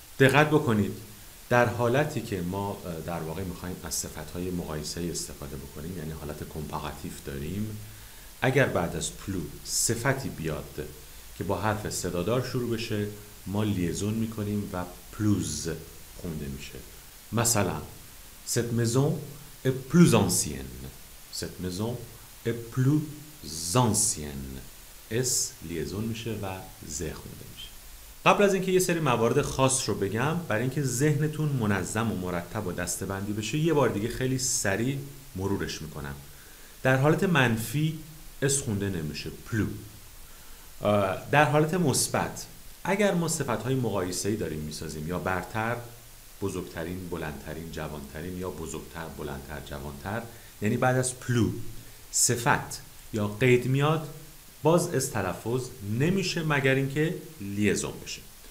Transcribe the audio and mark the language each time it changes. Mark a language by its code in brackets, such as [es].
[fa] دقت بکنید در حالتی که ما در واقع میخواییم از صفتهای مقایسه استفاده بکنیم، یعنی حالت کمپاراتیف داریم، اگر بعد از پلو صفتی بیاد که با حرف صدادار شروع بشه، ما لیزون میکنیم و پلوز خونده میشه. [fr] مثلا cette maison est plus ancienne. cette maison est plus ancienne. [fa] اس لیزون میشه و ز خونده میشه. قبل از اینکه یه سری موارد خاص رو بگم، برای اینکه ذهنتون منظم و مرتب و دسته‌بندی بشه، یه بار دیگه خیلی سریع مرورش میکنم. در حالت منفی اس خونده نمیشه، پلو. در حالت مثبت اگر ما صفتهای مقایسه‌ای داریم میسازیم، یا برتر، بزرگترین، بلندترین، جوانترین، یا بزرگتر، بلندتر، جوانتر، یعنی بعد از پلو صفت یا قید میاد، باز اس تلفظ نمیشه مگر اینکه لیزون بشه.